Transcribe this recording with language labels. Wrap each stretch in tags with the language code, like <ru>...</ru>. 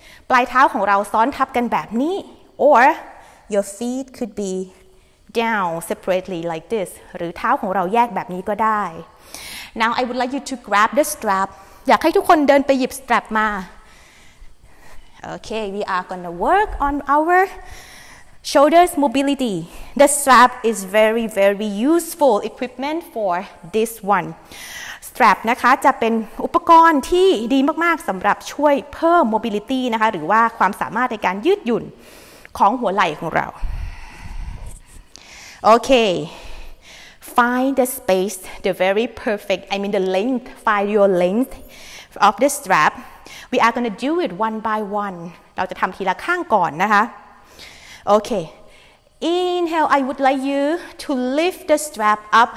<th>ปลายเท้าของเราซ้อนทับกันแบบนี้</th> <en>Or your feet could be down separately like this.</en> <th>หรือเท้าของเราแยกแบบนี้ก็ได้</th> <en>Now I would like you to grab the strap.</en> <th>อยากให้ทุกคนเดินไปหยิบสตรัปมา</th> <en>Okay, we are gonna work on our shoulders mobility. The strap is very, very useful equipment for this one.</en> <th>Strap นะคะจะเป็นอุปกรณ์ที่ดีมากๆสำหรับช่วยเพิ่ม mobility นะคะหรือว่าความสามารถในการยืดหยุ่นของหัวไหล่ของเรา</th> <en>Okay, find the space, the very perfect, I mean the length, find your length of the strap. We are gonna do it one by one.</en> <th>เราจะทำทีละข้างก่อนนะคะ</th> <en>Okay. Inhale. I would like you to lift the strap up.</en>